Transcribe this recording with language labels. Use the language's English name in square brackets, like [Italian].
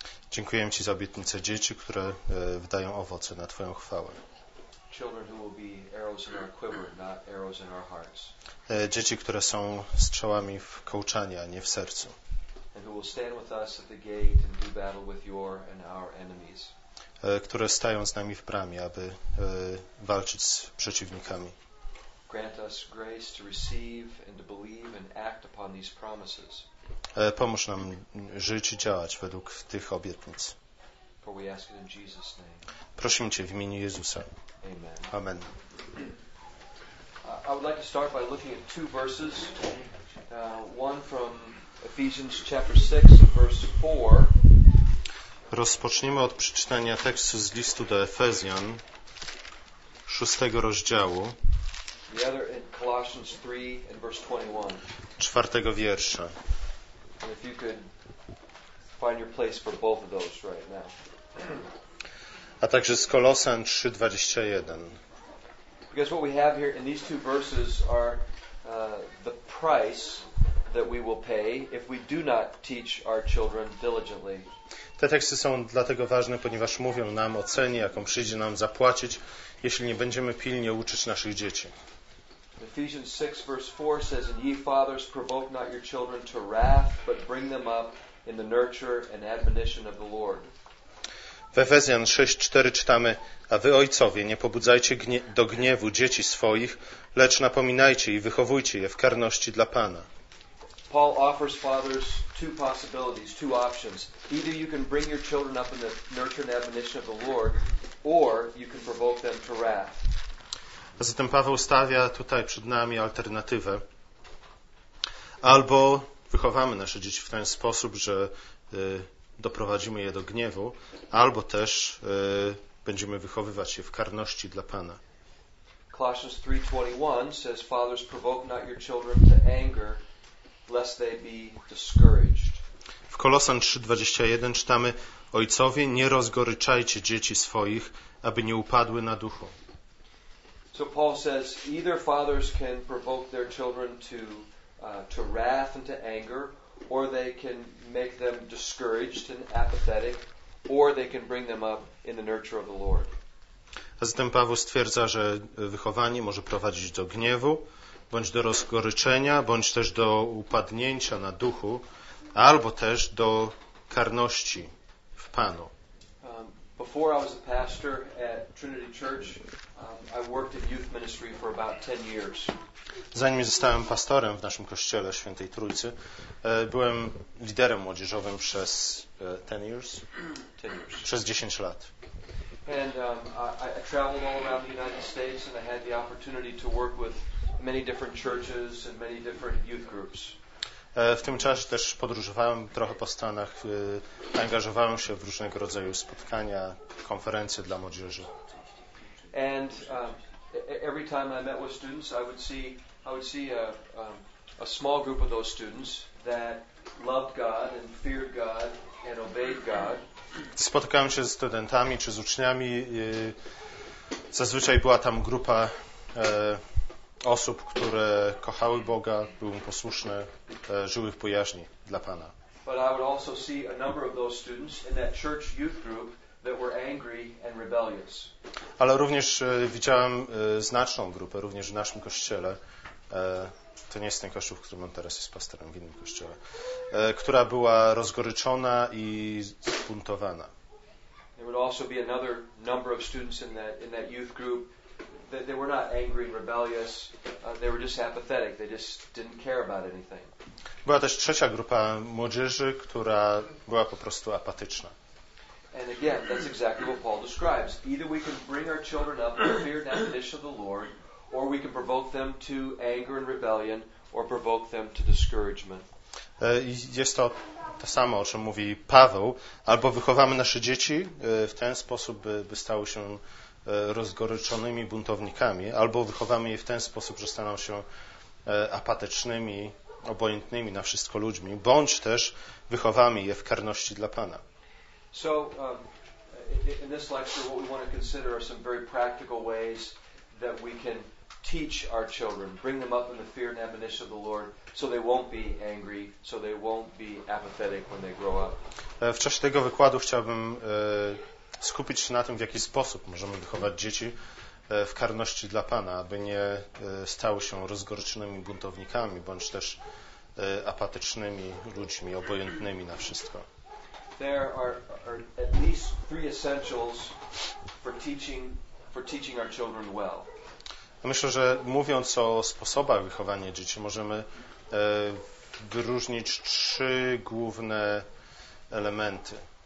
[Polish] Dziękujemy Ci za obietnicę dzieci, które wydają owoce na Twoją chwałę. [English] Children who will be arrows in our quiver, not arrows in our hearts. [Polish] Dzieci, które są strzałami w kołczanie, a nie w sercu. [English] And who will stand with us at the gate and do battle with your and our enemies. [Polish] Które stają z nami w bramie, aby walczyć z przeciwnikami. [English] Grant us grace to receive and to believe and act upon these promises. [Polish] Pomóż nam żyć i działać według tych obietnic. [English] For we ask it in Jesus' name. [Polish] Prosimy Cię w imieniu Jezusa. [English] Amen. [Polish] Amen. [English] I would like to start by looking at two verses. One from Ephesians chapter 6, verse 4. [Polish] Rozpoczniemy od przeczytania tekstu z listu do Efezjan, 6 rozdziału. [English] The other in Colossians 3 and verse 21. [Polish] 4 wiersza. [English] And if you could find your place for both of those right now. [Polish] A także z Kolosan 3:21. [English] Because what we have here in these two verses are the price that we will pay if we do not teach our children diligently. [Polish] Te teksty są dlatego ważne, ponieważ mówią nam o cenie, jaką przyjdzie nam zapłacić, jeśli nie będziemy pilnie uczyć naszych dzieci. [English] Ephesians 6 verse 4 says, "And ye fathers, provoke not your children to wrath, but bring them up in the nurture and admonition of the Lord." [Polish] W Efezjan 6:4 czytamy: A wy ojcowie, nie pobudzajcie do gniewu dzieci swoich, lecz napominajcie i wychowujcie je w karności dla Pana. [English] Paul offers fathers two possibilities, two options. Either you can bring your children up in the nurture and admonition of the Lord, or you can provoke them to wrath. [Polish] Zatem Paweł stawia tutaj przed nami alternatywę. Albo wychowamy nasze dzieci w ten sposób, że doprowadzimy je do gniewu, albo też będziemy wychowywać je w karności dla Pana. [English] Colossians 3:21 says, "Fathers, provoke not your children to anger, lest they be discouraged." [Polish] W Kolosan 3:21 czytamy: Ojcowie, nie rozgoryczajcie dzieci swoich, aby nie upadły na duchu. [English] So Paul says, either fathers can provoke their children to wrath and to anger, or they can make them discouraged and apathetic, or they can bring them up in the nurture of the Lord. [Polish] A zatem Paweł stwierdza, że wychowanie może prowadzić do gniewu, bądź do rozgoryczenia, bądź też do upadnięcia na duchu, albo też do karności w Panu. [English] Before I was a pastor at Trinity Church, I worked in youth ministry for about 10 years. [Polish] Zanim zostałem pastorem w naszym kościele Świętej Trójcy, byłem liderem młodzieżowym przez 10 [English] years. [Polish] Przez 10 lat. [English] And I traveled all around the United States and I had the opportunity to work with many different churches and many different youth groups. [Polish] W tym czasie też podróżowałem trochę po Stanach, angażowałem się w różnego rodzaju spotkania, konferencje dla młodzieży. [English] And every time I met with students, I would see a small group of those students that loved God and feared God and obeyed God. [Polish] Spotykałem się z studentami czy z uczniami. Zazwyczaj była tam grupa osób, które kochały Boga, były posłuszne, żyły w bojaźni dla Pana. [English] But I would also see a number of those students in that church youth group that were angry and rebellious. [Polish] Ale również widziałem znaczną grupę, również w naszym kościele, to nie jest ten kościół, w którym on teraz jest pastorem, w innym kościele, która była rozgoryczona i zbuntowana. [English] There would also be another number of students in that youth group. They were not angry and rebellious. They were just apathetic. They just didn't care about anything. [Polish] Była też trzecia grupa młodzieży, która była po prostu apatyczna. [English] And again, that's exactly what Paul describes. Either we can bring our children up in fear and admonition of the Lord, or we can provoke them to anger and rebellion, or provoke them to discouragement. [Polish] Jest to to samo, o czym mówi Paweł. Albo wychowamy nasze dzieci w ten sposób, by stały się rozgoryczonymi buntownikami, albo wychowamy je w ten sposób, że staną się apatycznymi, obojętnymi na wszystko ludźmi, bądź też wychowamy je w karności dla Pana. [English] So, in this lecture, what we want to consider are some very practical ways that we can teach our children, bring them up in the fear and admonition of the Lord, so they won't be angry, so they won't be apathetic when they grow up. [Polish] W czasie tego wykładu chciałbym skupić się na tym, w jaki sposób możemy wychować dzieci w karności dla Pana, aby nie stały się rozgorczonymi buntownikami, bądź też apatycznymi ludźmi, obojętnymi na wszystko. [English] There are at least three essentials for teaching our children well. [Polish] Myślę, że mówiąc o sposobach wychowania dzieci, możemy wyróżnić trzy główne elementy.